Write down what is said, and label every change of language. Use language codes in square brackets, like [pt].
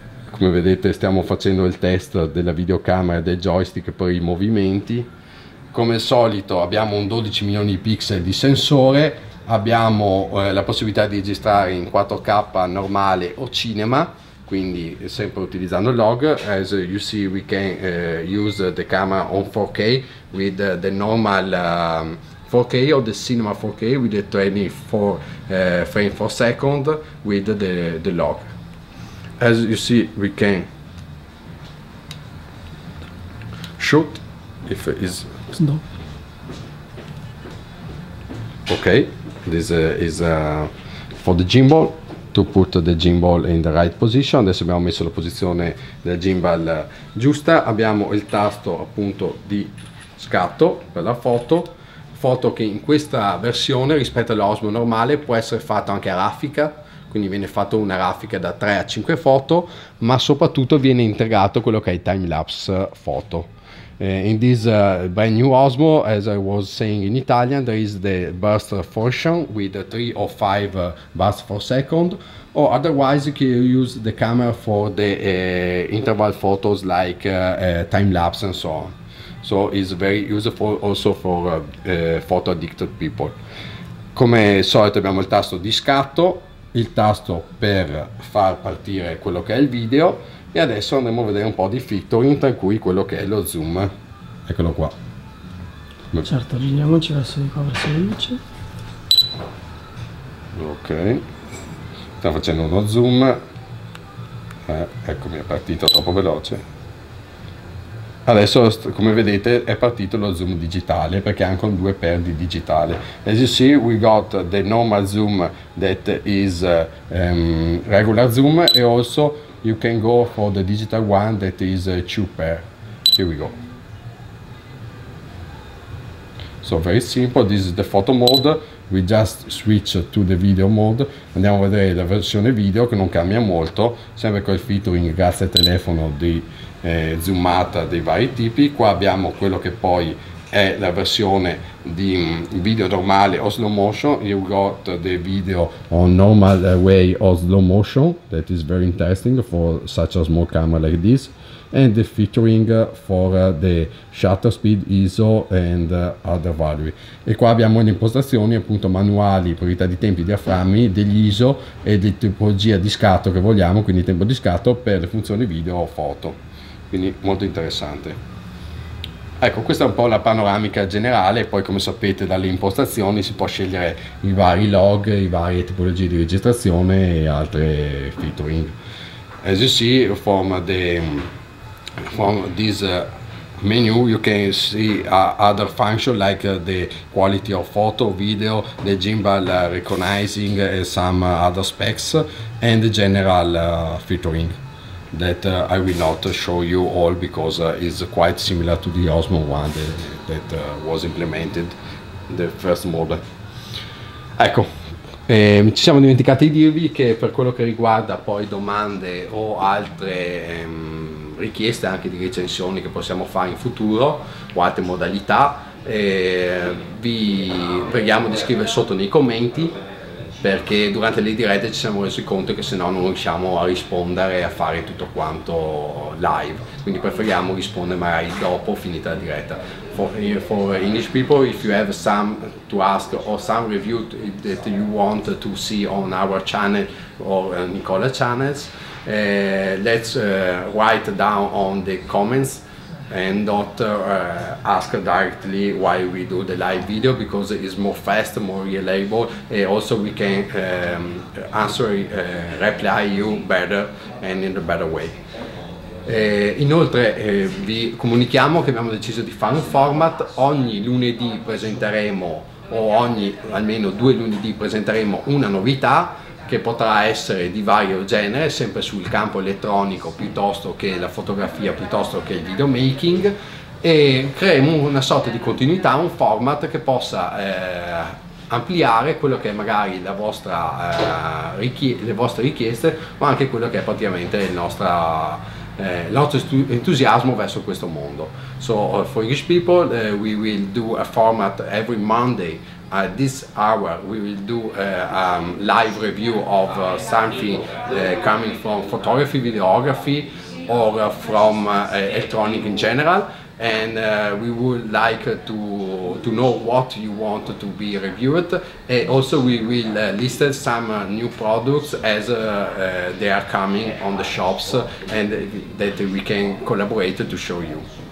[it] Come vedete stiamo facendo il test della videocamera e del joystick per i movimenti. Come al solito abbiamo un 12 milioni di pixel di sensore. Abbiamo la possibilità di registrare in 4K normale o cinema, quindi sempre utilizzando il log. [en] As you see, we can use the camera on 4K with the normal 4K or the cinema 4K with the 24 frame per second with the log. As you see, we can shoot if it is stop. Okay, this is for the gimbal, to put the gimbal in the right position. [it] Adesso abbiamo messo la posizione del gimbal giusta. Abbiamo il tasto appunto di scatto per la foto. Foto che in questa versione, rispetto all'Osmo normale, può essere fatta anche a raffica. Quindi viene fatta una raffica da 3 a 5 foto, ma soprattutto viene integrato quello che è il timelapse foto. [en] In this brand new Osmo, as I was saying in Italian, there is the burst function with 3 or 5 bursts per second, or otherwise you can use the camera for the interval photos like time-lapse and so on. So it's very useful also for photo addicted people. [it] Come solito abbiamo il tasto di scatto, il tasto per far partire quello che è il video, e adesso andiamo a vedere un po' di featuring, tra cui quello che è lo zoom. Eccolo qua. Certo, avviniamoci verso di qua, verso la luce. Ok, sta facendo uno zoom. Eccomi, è partito troppo veloce. Adesso, come vedete, è partito lo zoom digitale, perché anche un 2x di digitale. [en] As you see, we got the normal zoom that is regular zoom, e also you can go for the digital one that is cheaper. Here we go. So very simple, this is the photo mode. We just switch to the video mode. [it] Andiamo a vedere la versione video, che non cambia molto, sempre col featuring grazie al telefono di zoomata dei vari tipi. Qua abbiamo quello che poi è la versione di video normale o slow motion. [en] You got the video on normal way or slow motion, that is very interesting for such a small camera like this. And the featuring for the shutter speed, ISO and other value. [it] E qua abbiamo le impostazioni appunto manuali, priorità di tempi, diaframmi, degli ISO e di tipologia di scatto che vogliamo, quindi tempo di scatto per le funzioni video o foto. Quindi molto interessante. Ecco, questa è un po' la panoramica generale. Poi, come sapete, dalle impostazioni si può scegliere i vari log, i vari tipologie di registrazione e altre featuring. [en] As you see from the from this menu, you can see other functions like the quality of photo, video, the gimbal recognizing and some other specs and the general featuring that I will not show you all because it's quite similar to the Osmo one that was implemented the first model. [it] Ecco, ci siamo dimenticati di dirvi che per quello che riguarda poi domande o altre richieste anche di recensioni che possiamo fare in futuro o altre modalità, vi preghiamo di scrivere sotto nei commenti, perché durante le dirette ci siamo resi conto che se no non riusciamo a rispondere e a fare tutto quanto live, quindi preferiamo rispondere magari dopo, finita la diretta. [en] For English people, if you have some to ask or some review that you want to see on our channel or Nicola channels, let's write down on the comments and not ask directly why we do the live video, because it's more fast, more reliable, and also we can answer, reply you better and in a better way. [it] Inoltre vi comunichiamo che abbiamo deciso di fare un format: ogni lunedì presenteremo, o ogni almeno due lunedì presenteremo, una novità che potrà essere di vario genere, sempre sul campo elettronico piuttosto che la fotografia, piuttosto che il videomaking, e creeremo una sorta di continuità, un format che possa ampliare quello che è magari la vostra le vostre richieste, ma anche quello che è praticamente il nostro entusiasmo verso questo mondo. [en] So for English people, we will do a format every Monday. At this hour we will do a live review of something coming from photography, videography, or from electronic in general, and we would like to know what you want to be reviewed, and also we will list some new products as they are coming on the shops, and that we can collaborate to show you.